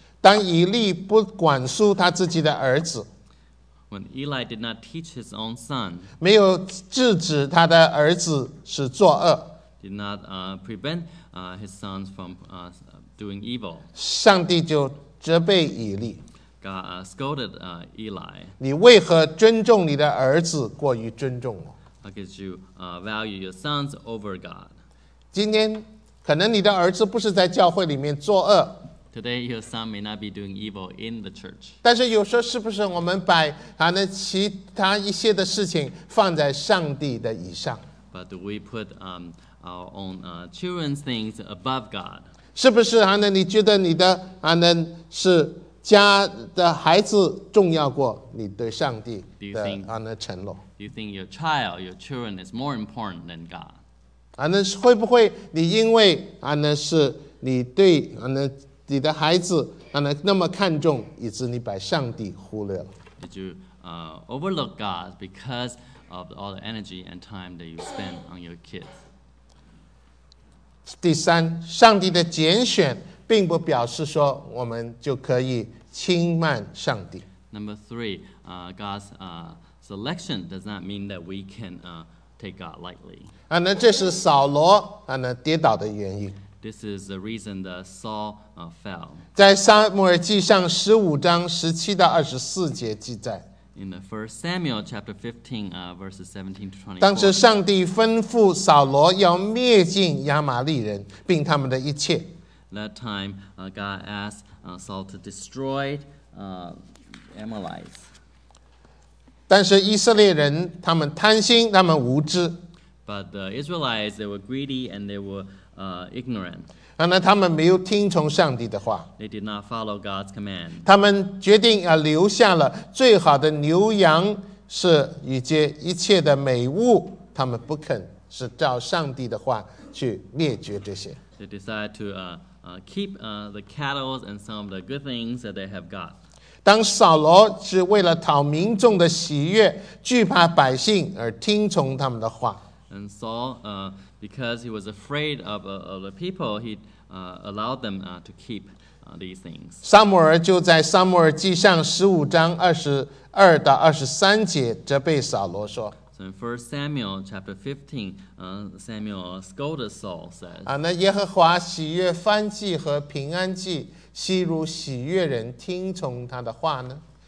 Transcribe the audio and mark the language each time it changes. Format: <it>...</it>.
<zh>当以利不管束他自己的儿子。</zh> <en>When Eli did not teach his own son,</en> <zh>没有制止他的儿子是作恶。</zh> <en>Did not prevent his sons from doing evil.</en> <zh>上帝就责备以利。</zh> <en>God scolded Eli.</en> <zh>你为何尊重你的儿子过于尊重我？</zh> <en>Because you value your sons over God.</en> <zh>今天可能你的儿子不是在教会里面作恶。</zh> <en>Today, your son may not be doing evil in the church.</en> <zh>但是有时候是不是我们把其他一些的事情放在上帝的以上？</zh> <en>But do we put our own children's things above God?</en> <zh>是不是你觉得你的是家的孩子重要过你对上帝的承诺？</zh> <en>Do you think your child, your children is more important than God?</en> <zh>会不会你因为是你对你的孩子让你那么看重，以致你把上帝忽略了。</zh> <en>Did you overlook God because of all the energy and time that you spend on your kids?</en> <zh>第三，上帝的拣选并不表示说我们就可以轻慢上帝。</zh> <en>Number three, God's selection does not mean that we can take God lightly.</en> <zh>那这是扫罗跌倒的原因。</zh> <en>This is the reason that Saul fell.</en> <zh>在撒母耳记上十五章十七到二十四节记载。</zh> <en>In the First Samuel chapter 15, verses 17 to 24.</en> <zh>当时上帝吩咐扫罗要灭尽亚玛利人，并他们的一切。</zh> <en>That time, God asked Saul to destroy Amalekites.</en> <zh>但是以色列人他们贪心，他们无知。</zh> <en>But the Israelites, they were greedy and they were ignorant.</en> <zh>那他们没有听从上帝的话。</zh> <en>They did not follow God's command.</en> <zh>他们决定要留下了最好的牛羊，是以及一切的美物，他们不肯是照上帝的话去灭绝这些。</zh> <en>They decide to keep the cattle and some of the good things that they have got.</en> <zh>当扫罗是为了讨民众的喜悦，惧怕百姓而听从他们的话。</zh> <en>And Saul, because he was afraid of the people, he allowed them to keep these things.</en> <zh>撒母耳就在撒母耳记上十五章二十二到二十三节责备扫罗说。</zh> <en>So in 1 Samuel chapter 15, Samuel scolded Saul, says,</en> <zh>那耶和华喜悦燔祭和平安祭，岂如喜悦人听从他的话呢？</zh>